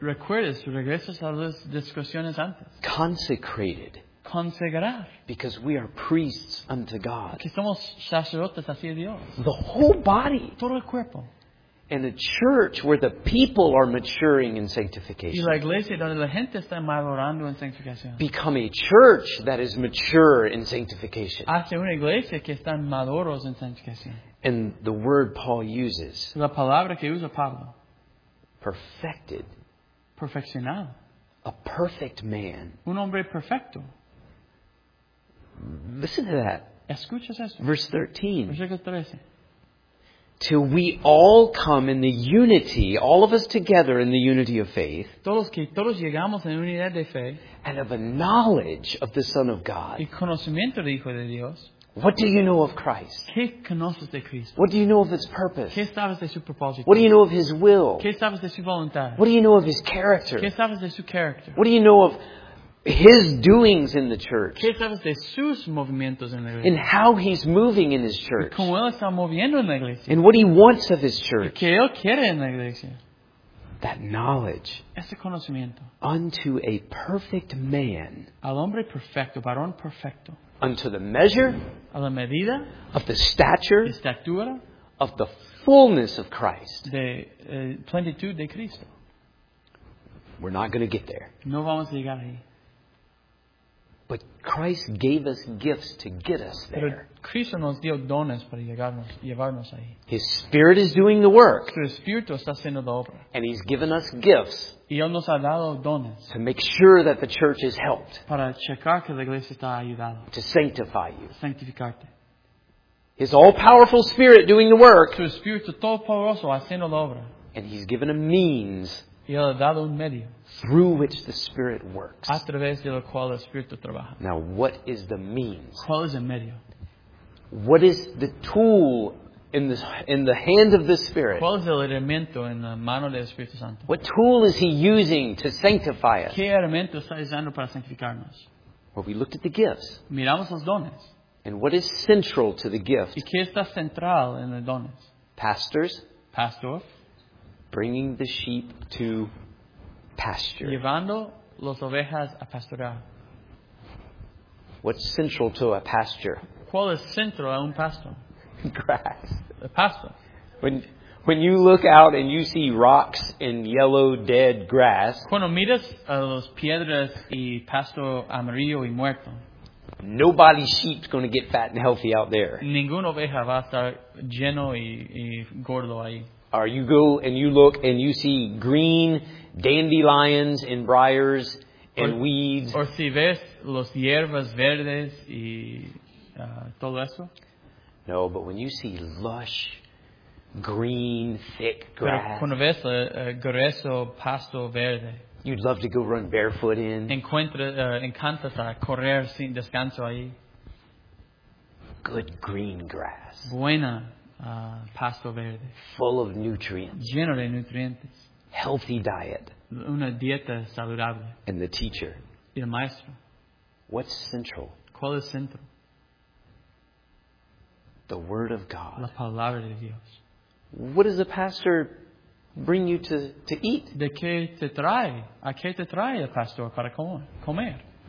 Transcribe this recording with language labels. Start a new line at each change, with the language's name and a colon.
Spanish: Recuerdes, regresas a las discusiones antes.
English: Consecrated.
Spanish: Consagrar.
English: Because we are priests unto God.
Spanish: Que somos sacerdotes hacia Dios.
English: The whole body.
Spanish: Todo el cuerpo.
English: And a church where the people are maturing in sanctification.
Spanish: Y la iglesia donde la gente está madurando en santificación.
English: Become a church that is mature in sanctification.
Spanish: Hace una iglesia que están maduros en santificación.
English: And the word Paul uses.
Spanish: La palabra que usa Pablo.
English: Perfected.
Spanish: Perfeccionado.
English: A perfect man.
Spanish: Un hombre perfecto.
English: Listen to that.
Spanish: Escuchas esto.
English: Verse 13.
Spanish: Versículo 13.
English: Till we all come in the unity, all of us together in the unity of faith.
Spanish: Todos que todos llegamos en unidad de fe.
English: And of a knowledge of the Son of God.
Spanish: Y conocimiento del Hijo de Dios.
English: What do you know of Christ?
Spanish: ¿Qué conoces de Cristo?
English: What do you know of His purpose?
Spanish: ¿Qué sabes de su propósito?
English: What do you know of His will?
Spanish: ¿Qué sabes de su voluntad?
English: What do you know of His character?
Spanish: ¿Qué sabes de su carácter?
English: What do you know of His doings in the church?
Spanish: ¿Qué sabes de sus movimientos en la iglesia?
English: And how He's moving in His church?
Spanish: ¿Cómo él está moviendo en la iglesia?
English: And what He wants of His church?
Spanish: ¿Qué él quiere en la iglesia?
English: That knowledge.
Spanish: Ese conocimiento.
English: Unto a perfect man.
Spanish: Al hombre perfecto, varón perfecto.
English: Unto the measure,
Spanish: a la medida,
English: of the stature,
Spanish: de estatura,
English: of the fullness of Christ.
Spanish: De plenitud de Cristo.
English: We're not going to get there.
Spanish: No vamos a llegar ahí.
English: But Christ gave us gifts to get us there.
Spanish: Pero Cristo nos dio dones para llevarnos ahí.
English: His Spirit is doing the work.
Spanish: Su Espíritu está haciendo la obra.
English: And He's given us gifts.
Spanish: Y él nos ha dado dones.
English: To make sure that the church is helped.
Spanish: Para checar que la iglesia está ayudada.
English: To sanctify you.
Spanish: Sanctificarte.
English: His all-powerful Spirit doing the work.
Spanish: Su Espíritu todopoderoso haciendo la obra.
English: And He's given a means.
Spanish: Y él ha dado un medio.
English: Through which the Spirit works.
Spanish: A través de lo cual el Espíritu trabaja.
English: Now, what is the means?
Spanish: ¿Cuál es el medio?
English: What is the tool in the hand of the Spirit?
Spanish: ¿Cuál es el elemento en la mano del Espíritu Santo?
English: What tool is He using to sanctify us?
Spanish: ¿Qué elemento está usando para santificarnos?
English: Well, we looked at the gifts.
Spanish: Miramos los dones.
English: And what is central to the gift?
Spanish: ¿Y qué está central en los dones?
English: Pastors.
Spanish: Pastor.
English: Bringing the sheep to pasture.
Spanish: Llevando las ovejas a pastorear.
English: What's central to a pasture?
Spanish: ¿Cuál es central a un pasto?
English: Grass.
Spanish: A pasto.
English: When you look out and you see rocks and yellow dead grass.
Spanish: Cuando miras a las piedras y pasto amarillo y muerto.
English: Nobody's sheep's going to get fat and healthy out there.
Spanish: Ninguna oveja va a estar lleno y gordo ahí.
English: Or you go and you look and you see green dandelions and briars and weeds. Or
Spanish: si ves los hierbas verdes y todo eso.
English: No, but when you see lush, green, thick grass.
Spanish: Pero cuando ves el grueso pasto verde.
English: You'd love to go run barefoot in.
Spanish: Encantas a correr sin descanso ahí.
English: Good green grass.
Spanish: Buena. Pasto verde.
English: Full of nutrients.
Spanish: Lleno de nutrientes.
English: Healthy diet.
Spanish: Una dieta saludable.
English: And the teacher.
Spanish: Y el maestro.
English: What's central?
Spanish: ¿Cuál es central?
English: The The Word of God.
Spanish: La palabra de Dios.
English: What does the pastor bring you to eat?
Spanish: De qué te trae? ¿A qué te trae el pastor para comer?